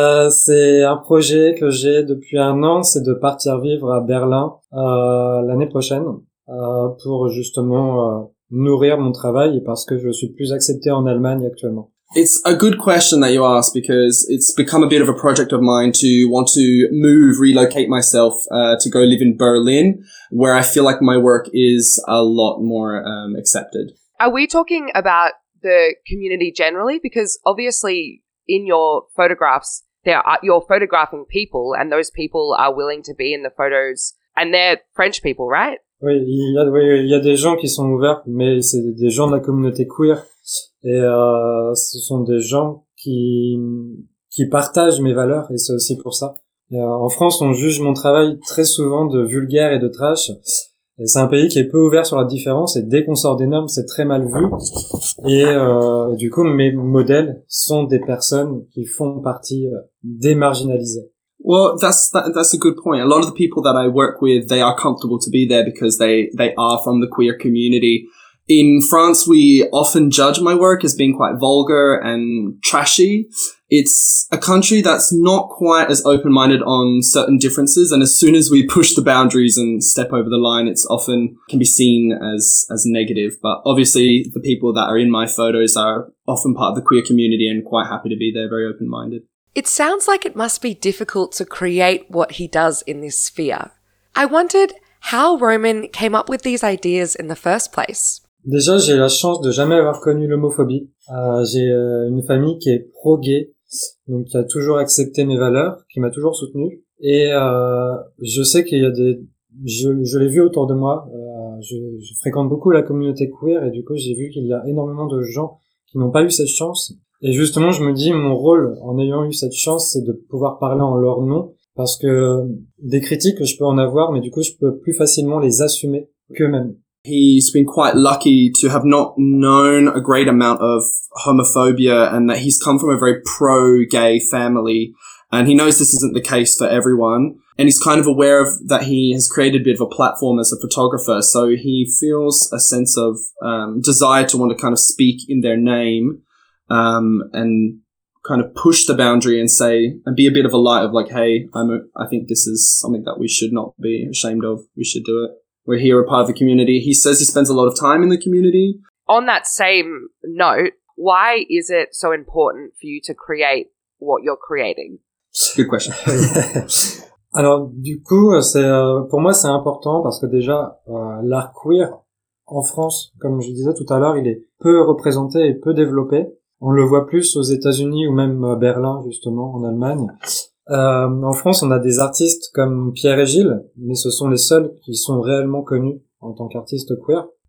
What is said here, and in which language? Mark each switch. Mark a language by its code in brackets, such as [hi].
[fr] C'est un projet que j'ai depuis un an, c'est de partir vivre à Berlin l'année prochaine pour justement nourrir mon travail, parce que je suis plus accepté en Allemagne actuellement. [en] It's a good question that you ask, because it's become a bit of a project of mine to want to move, relocate myself, to go live in Berlin, where I feel like my work is a lot more accepted. Are we talking about the community generally? Because obviously in your photographs, you're photographing people, and those people are willing to be in the photos, and they're French people, right? [fr] Oui, il y a des gens qui sont ouverts, mais c'est des gens de la communauté queer, et ce sont des gens qui partagent mes valeurs, et c'est aussi pour ça. En France, on juge mon travail très souvent de vulgaire et de trash, et c'est un pays qui est peu ouvert sur la différence, et dès qu'on sort des normes, c'est très mal vu, et du coup, mes modèles sont des personnes qui font partie des marginalisés. [en] Well, that's a good point. A lot of the people that I work with, they are comfortable to be there because they are from the queer community. In France, we often judge my work as being quite vulgar and trashy. It's a country that's not quite as open-minded on certain differences. And as soon as we push the boundaries and step over the line, it's often can be seen as negative. But obviously, the people that are in my photos are often part of the queer community and quite happy to be there, very open-minded. It sounds like it must be difficult to create what he does in this sphere. I wondered how Roman came up with these ideas in the first place. [fr] Déjà, j'ai la chance de jamais avoir connu l'homophobie. J'ai une famille qui est pro-gay, donc qui a toujours accepté mes valeurs, qui m'a toujours soutenu. Et je sais qu'il y a des... Je l'ai vu autour de moi. Je fréquente beaucoup la communauté queer, et du coup, j'ai vu qu'il y a énormément de gens qui n'ont pas eu cette chance. Et justement, je me dis, mon rôle, en ayant eu cette chance, c'est de pouvoir parler en leur nom, parce que des critiques, je peux en avoir, mais du coup, je peux plus facilement les assumer qu'eux-mêmes. [en] He's been quite lucky to have not known a great amount of homophobia, and that he's come from a very pro-gay family, and he knows this isn't the case for everyone, and he's kind of aware of that he has created a bit of a platform as a photographer, so he feels a sense of desire to want to kind of speak in their name. And kind of push the boundary and say, and be a bit of a light of like, hey, I think this is something that we should not be ashamed of. We should do it. We're here, a part of the community. He says he spends a lot of time in the community. On that same note, why is it so important for you to create what you're creating? Good question. [fr] Alors, du coup, pour moi, c'est important parce que déjà, l'art queer en France, comme je disais tout à l'heure, il est peu représenté et peu développé. On le voit plus aux États-Unis ou même à Berlin, justement, en Allemagne. En France, on a des artistes comme Pierre et Gilles, mais ce sont les seuls qui sont réellement connus en tant qu'artistes queer.